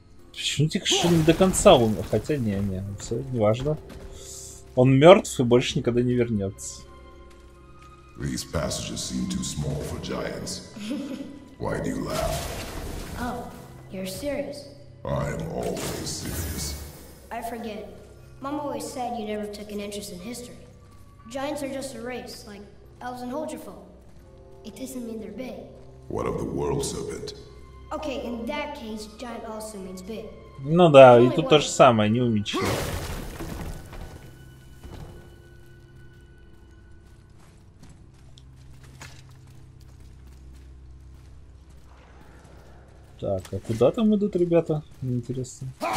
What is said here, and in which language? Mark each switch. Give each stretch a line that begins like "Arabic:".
Russian: Почему тихо, что не до конца он? Хотя, не, все, не важно. Он мертв и больше никогда не вернется.
English: These passages seem too small for giants. Why do you laugh? Oh, you're serious. I'm always serious. I forget. Mom always said you never took an interest in history. Giants are just a race, like elves and Holdrefolk. It doesn't mean they're big. What of the world serpent? Okay, in that case, giant also means big.
Russian: Ну да, и тут то же самое, не умничай. Так, а куда там идут ребята? Мне интересно.